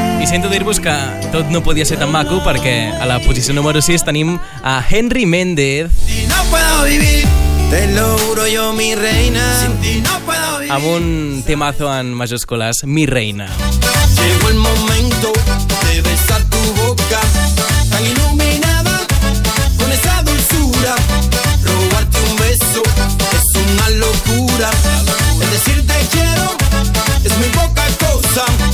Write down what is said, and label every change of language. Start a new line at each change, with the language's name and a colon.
Catalan: Sento dir-vos que tot no podia ser tan maco, perquè a la posició número 6 tenim a Henry Méndez.
Spanish: Si no puedo vivir, te lo juro yo, mi reina. Si no puedo vivir,
Catalan: amb un temazo en majúscules,
Spanish: mi reina. Llegó el momento de besar tu boca, tan iluminada, con esa dulzura. Robarte un beso es una locura. El decirte quiero es muy poca cosa.